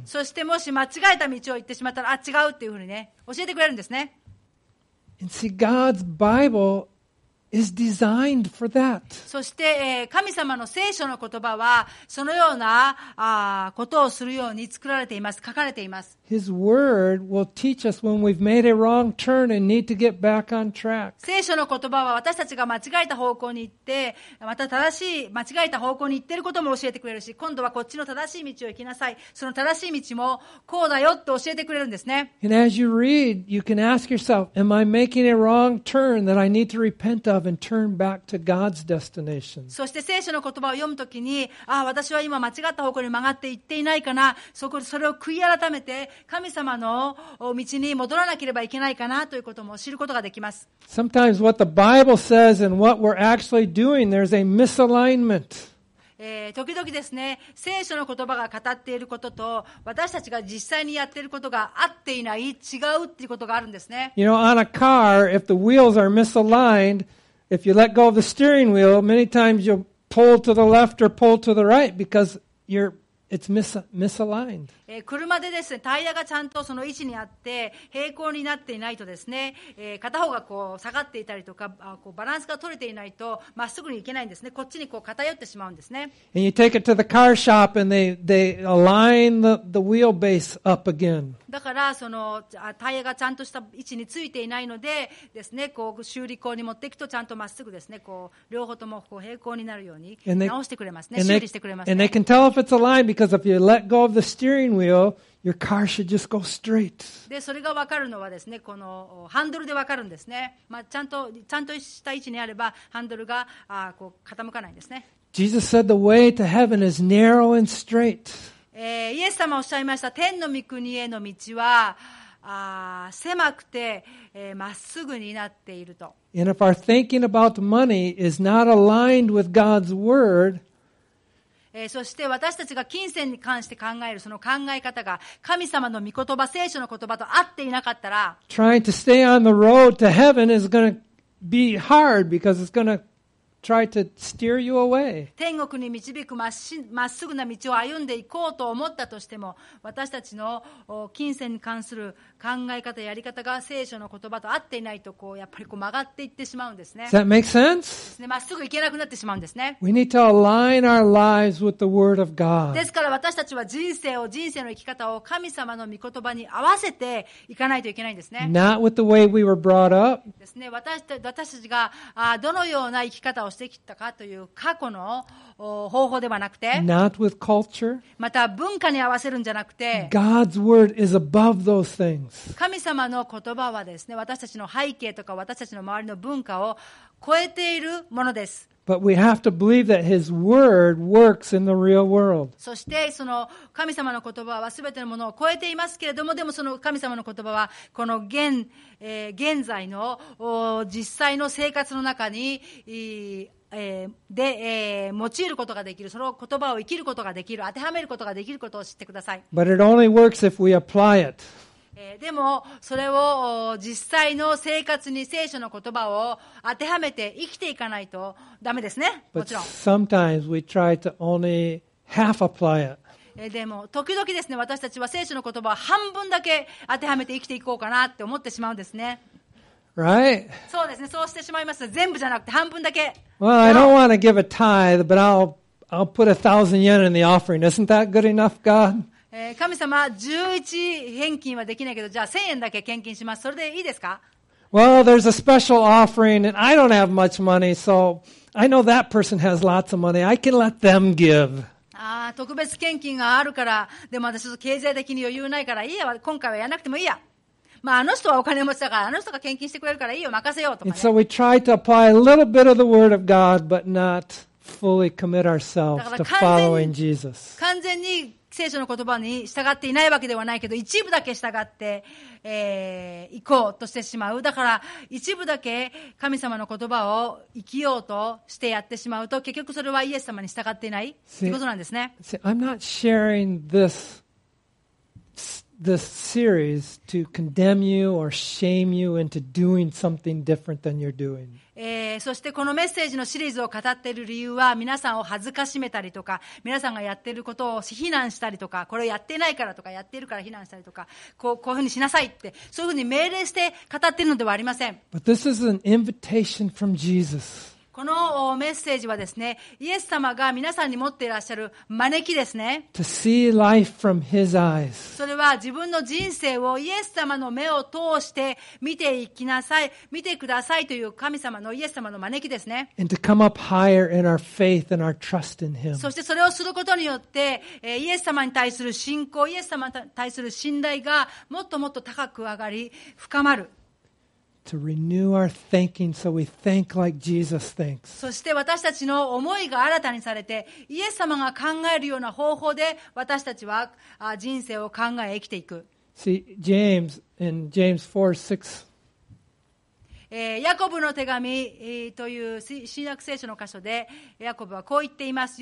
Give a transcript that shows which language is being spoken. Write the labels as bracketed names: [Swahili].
[Japanese] そしてもし間違えた道を行ってしまったら、あ、違うっていうふうにね、教えてくれるんですね。 [English] And see, God's Bible is designed for that. [Japanese] そして、神様の聖書の言葉はそのようなことをするように作られています。書かれています。 [English] His word will teach us when we've made a wrong turn and need to get back on track. [Japanese] 聖書の言葉は私たちが間違えた方向に行って、また正しい間違えた方向に行ってることも教えてくれるし、今度はこっちの正しい道を行きなさい。その正しい道もこうだよと教えてくれるんですね。 [English] And as you read, you can ask yourself, "Am I making a wrong turn that I need to repent?" And turn back to God's destination. [Japanese] そして聖書の言葉を読むときに、ああ私は今間違った方向に曲がって行っていないかな、それを悔い改めて神様の道に戻らなければいけないかなということも知ることができます。 [English] Sometimes what the Bible says and what we're actually doing, there's a misalignment. [Japanese] 時々ですね、聖書の言葉が語っていることと私たちが実際にやっていることが合っていない、違うっていうことがあるんですね。 [English] You know, on a car, if the wheels are misaligned, if you let go of the steering wheel, many times you'll pull to the left or pull to the right because it's misaligned. [Japanese] 車でですね、タイヤがちゃんとその位置にあって平行になっていないとですね、片方がこう下がっていたりとか、こうバランスが取れていないとまっすぐに行けないんですね。こっちにこう偏ってしまうんですね。 [English] And you take it to the car shop and they align the wheelbase up again. [Japanese] だからそのタイヤがちゃんとした位置についていないのでですね、こう修理工に持っていくとちゃんとまっすぐですね、こう両方ともこう平行になるように直してくれますね、修理してくれますね。 [English] And they can tell if it's aligned because if you let go of the steering wheel,Your car should just go straight. [Japanese] で、それが分かるのはですね、このハンドルで分かるんですね。まあ、ちゃんとした位置にあればハンドルがこう傾かないんですね。 [English] Jesus said the way to heaven is narrow and straight. [Japanese] イエス様おっしゃいました。天の御国への道は狭くてまっすぐになっていると。 [English] And if our thinking about money is not aligned with God's word, [Japanese] そして私たちが金銭に関して考えるその考え方が神様の御言葉、聖書の言葉と合っていなかったら、 [English] Trying to stay on the road to heaven is going to be hard because it's going to try to steer you away. [Japanese] 天国に導くまっすぐな道を歩んでいこうと思ったとしても、私たちの金銭に関する考え方やり方が聖書の言葉と合っていないとこうやっぱりこう曲がっていってしまうんですね。 [English] Does that make sense? [Japanese] まっすぐ行けなくなってしまうんですね。 [English] We need to align our lives with the Word of God. [Japanese] ですから私たちは人生の生き方を神様の御言葉に合わせていかないといけないんですね。 [English] Not with the way we were brought up. [Japanese] ですね。私たちがどのような生き方をしてきたかという過去の方法ではなくて、 [English] Not with culture. [Japanese] また文化に合わせるんじゃなくて、 [English] God's word is above those things. [Japanese] 神様の言葉はですね、私たちの背景とか私たちの周りの文化を超えているものです。 [English] But we have to believe that His word works in the real world. [Japanese] そしてその神様の言葉は全てのものを超えていますけれども、でもその神様の言葉はこの現在の実際の生活の中に、用いることができる、その言葉を生きることができる、当てはめることができることを知ってください。 [English] But it only works if we apply it. [Japanese] でもそれを実際の生活に聖書の言葉を当てはめて生きていかないとダメですね。もちろん。 [English] Sometimes we try to only half apply it. [Japanese] でも時々ですね、私たちは聖書の言葉を半分だけ当てはめて生きていこうかなって思ってしまうんですね。 [English] Right? [Japanese] そうですね。そうしてしまいます。全部じゃなくて半分だけ。 [English] Well, I don't want to give a tithe, but I'll put 1,000 yen in the offering. Isn't that good enough, God? [Japanese] 神様、11返金はできないけど、じゃあ1000円だけ献金します。それでいいですか? [English] Well, there's a special offering and I don't have much money, so I know that person has lots of money. I can let them give. [Japanese] 特別献金があるから、でも私ちょっと経済的に余裕ないから、いいや、今回はやらなくてもいいや。まあ、あの人はお金持ちだから、あの人が献金してくれるからいいよ、任せようとかね。 [English] And so we try to apply a little bit of the word of God, but not fully commit ourselves to following Jesus. [Japanese] 完全に聖書の言葉に従っていないわけではないけど、一部だけ従って、行こうとしてしまう。だから一部だけ神様の言葉を生きようとしてやってしまうと、結局それはイエス様に従っていないということなんですね。 [English] See, I'm not sharing this this series to condemn you or shame you into doing something different than you're doing. [Japanese] そしてこのメッセージのシリーズを語っている理由は皆さんを恥ずかしめたりとか皆さんがやっていることを非難したりとかこれをやってないからとかやっているから非難したりとかこういうふうにしなさいってそういうふうに命令して語っているのではありません。 [English] But this is an invitation from Jesus. [Japanese] このメッセージはですねイエス様が皆さんに持っていらっしゃる招きですね。 [English] To see life from his eyes. [Japanese] それは自分の人生をイエス様の目を通して見ていきなさい見てくださいという神様のイエス様の招きですね。 [English] And to come up higher in our faith and our trust in him. [Japanese] そしてそれをすることによってイエス様に対する信仰イエス様に対する信頼がもっともっと高く上がり深まる。 [English] To renew our thinking so we think like Jesus thinks. [Japanese] そして私たちの思いが新たにされて、イエス様が考えるような方法で私たちは人生を考え生きていく。 [English] See, James in James 4:6. [Japanese] ヤコブの手紙という新約聖書の箇所で、ヤコブはこう言っています。